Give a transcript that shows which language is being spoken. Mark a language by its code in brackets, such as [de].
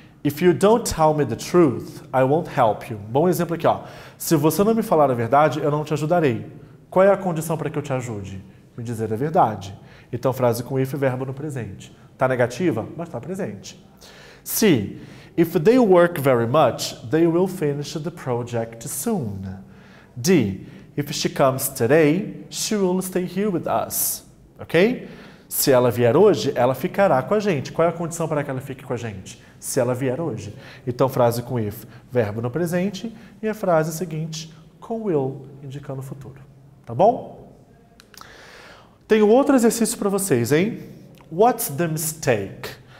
[en] If you don't tell me the truth, I won't help you. [pt] Bom exemplo aqui, ó. Se você não me falar a verdade, eu não te ajudarei. Qual é a condição para que eu te ajude? Me dizer a verdade. Então, frase com if, verbo no presente. Está negativa? Mas está presente. C. [en] If they work very much, they will finish the project soon. D. If she comes today, she will stay here with us. Ok? [pt] Se ela vier hoje, ela ficará com a gente. Qual é a condição para que ela fique com a gente? Se ela vier hoje. Então, frase com if, verbo no presente. E a frase seguinte, com will, indicando o futuro. Tá bom? Tenho outro exercício para vocês, hein? [en] What's the mistake?